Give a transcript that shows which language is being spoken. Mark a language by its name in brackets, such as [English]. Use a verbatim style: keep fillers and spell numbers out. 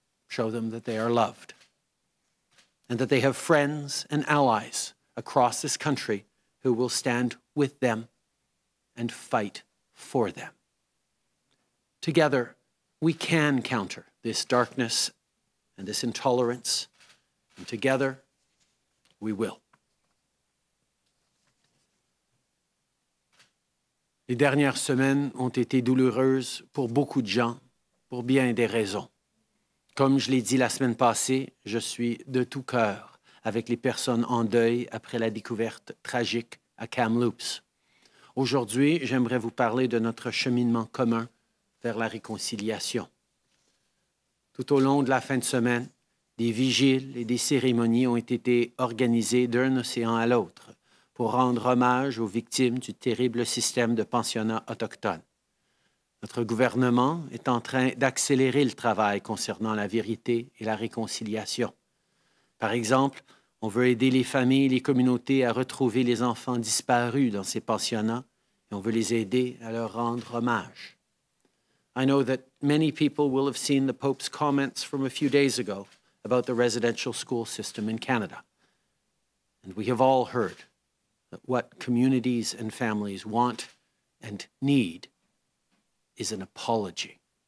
[English] Show them that they are loved, and that they have friends and allies across this country who will stand with them and fight for them. Together, we can counter this darkness and this intolerance, and together, we will. [French] Les dernières semaines ont été douloureuses pour beaucoup de gens, pour bien des raisons. Comme je l'ai dit la semaine passée, je suis de tout cœur avec les personnes en deuil après la découverte tragique à Kamloops. Aujourd'hui, j'aimerais vous parler de notre cheminement commun vers la réconciliation. Tout au long de la fin de semaine, des vigiles et des cérémonies ont été organisées d'un océan à l'autre pour rendre hommage aux victimes du terrible système de pensionnats autochtones. Notre gouvernement est en train d'accélérer le travail concernant la vérité et la réconciliation. Par exemple, on veut aider les familles et les communautés à retrouver les enfants disparus dans ces pensionnats, et on veut les aider à leur rendre hommage. [English] I know that many people will have seen the Pope's comments from a few days ago about the residential school system in Canada. And we have all heard that what communities and families want and need is an apology.